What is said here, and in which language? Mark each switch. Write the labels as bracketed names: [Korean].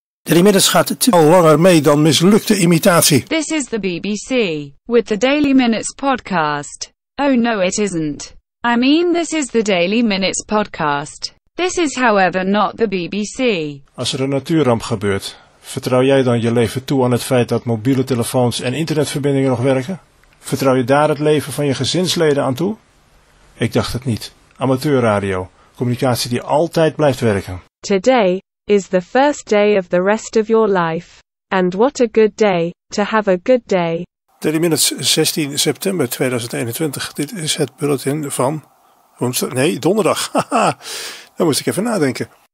[Dutch] Er inmiddels gaat het al langer mee dan mislukte imitatie. [English] This is the BBC, with the Daily Minutes podcast. Oh no, it isn't. I mean, this is the Daily Minutes podcast. This is however not the BBC. [Dutch] Als er een natuurramp gebeurt, vertrouw jij dan je leven toe aan het feit dat mobiele telefoons en internetverbindingen nog werken? Vertrouw je daar het leven van je gezinsleden aan toe? Ik dacht het niet. Amateurradio, communicatie die altijd blijft werken. [English] Today is the first day of the rest of your life. And what a good day, to have a good day. 30 minutes, 16 september 2021. [Dutch] Dit is het bulletin van woensdag. Nee, donderdag. Daar moest ik even nadenken.